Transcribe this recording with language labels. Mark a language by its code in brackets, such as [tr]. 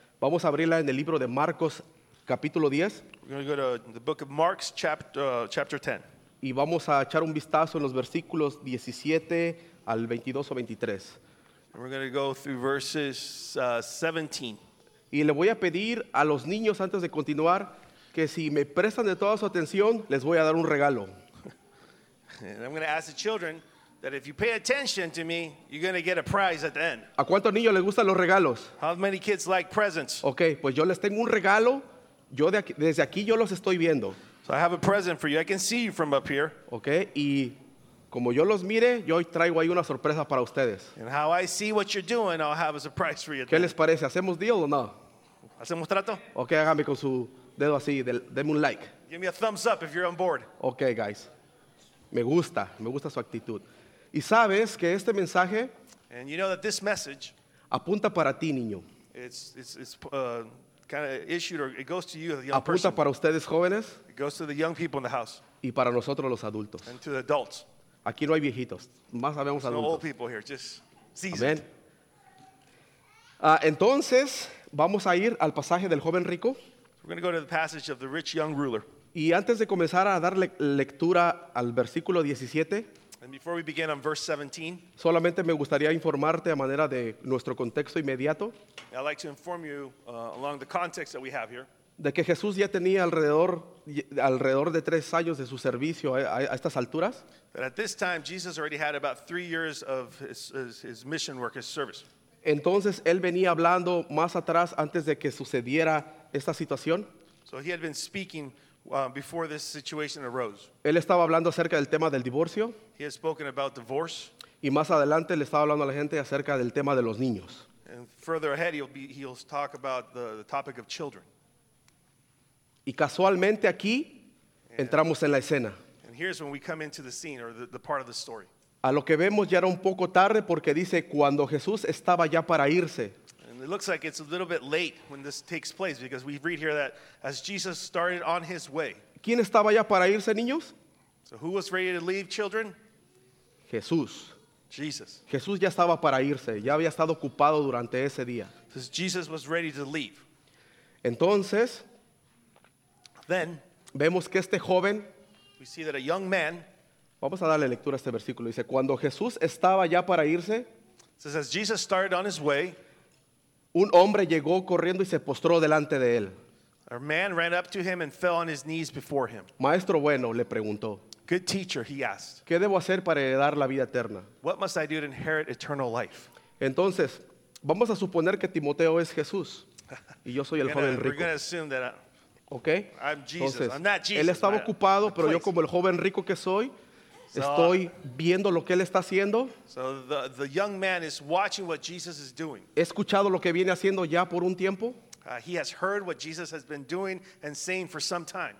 [es] vamos a abrirla en el libro de Marcos, capítulo 10. [en] We're going to go to the book of Mark, chapter 10. [es] Y vamos a echar un vistazo en los versículos 17 al 22 o 23. [en] And we're going to go through verses 17. [es] Y le voy a pedir a los niños antes de continuar que si me prestan de toda su atención, les voy a dar un regalo. [en] And I'm going to ask the children that if you pay attention to me, you're going to get a prize at the end. [es] ¿A cuántos niños les gustan los regalos? [en] How many kids like presents? [es] Okay, pues yo les tengo un regalo. Yo de aquí, desde aquí yo los estoy viendo. [en] So I have a present for you. I can see you from up here. [es] Okay, y como yo los mire, yo hoy traigo ahí una sorpresa para ustedes. [en] And how I see what you're doing, I'll have a surprise for you. [es] ¿Qué les parece? ¿Hacemos deal o no? ¿Hacemos trato? Okay, hágame con su dedo así, deme un like. [en] Give me a thumbs up if you're on board. Okay, guys. [es] Me gusta su actitud. Y sabes que este mensaje, [en] and you know that this message, [es] apunta para ti, niño. [en] It goes to you, the young [es] apunta [en] person. [es] Para ustedes, jóvenes. [en] It goes to the young people in the house. [es] Y para nosotros, los adultos. [en] And to the adults. [es] Aquí no hay viejitos, más sabemos [en] There's [es] adultos. [en] No old people here, just seasoned. [es] Entonces, vamos a ir al pasaje del joven rico. [en] So we're going to go to the passage of the rich young ruler. [es] Y antes de comenzar a dar lectura al versículo 17, [en] and before we begin on verse 17, [es] solamente me gustaría informarte a manera de nuestro contexto inmediato. [en] I'd like to inform you along the context that we have here. [es] De que Jesús ya tenía alrededor de 3 años de su servicio a estas alturas. [en] That at this time, Jesus already had about 3 years of his mission work, his service. [es] Entonces, él venía hablando más atrás antes de que sucediera esta situación. [en] So he had been speaking before this situation arose. [es] Él estaba hablando acerca del tema del divorcio. [en] He has spoken about divorce. [es] Y más adelante le estaba hablando a la gente acerca del tema de los niños. [en] And further ahead he'll talk about the topic of children. [es] Y casualmente aquí entramos en la escena. [en] And here's when we come into the scene or the part of the story. [es] A lo que vemos ya era un poco tarde porque dice cuando Jesús estaba ya para irse. [en] It looks like it's a little bit late when this takes place because we read here that as Jesus started on his way. [es] ¿Quién estaba ya para irse, niños? [en] So who was ready to leave, children? [es] Jesús. [en] Jesus. [es] Jesús ya estaba para irse. Ya había estado ocupado durante ese día. [en] So Jesus was ready to leave. [es] Entonces, [en] then, [es] vemos que este joven, [en] we see that a young man, [es] vamos a darle lectura a este versículo. Dice, cuando Jesús estaba ya para irse, [en] says, as Jesus started on his way, [es] un hombre llegó corriendo y se postró delante de él. [en] A man ran up to him and fell on his knees before him. [es] Maestro bueno, le preguntó. [en] Good teacher, he asked. [es] ¿Qué debo hacer para heredar la vida eterna? [en] What must I do to inherit eternal life? [es] Entonces, vamos a suponer que Timoteo es Jesús. Y yo soy el joven rico. [en] We're going to assume that I'm Jesus. [es] Entonces, [en] I'm not Jesus. [es] Él estaba ocupado, pero yo como el joven rico que soy, estoy viendo lo que él está haciendo. [en] So the young man is watching what Jesus is doing. [es] He escuchado lo que viene haciendo ya por un tiempo. [en] He has heard what Jesus has been doing and saying for some time.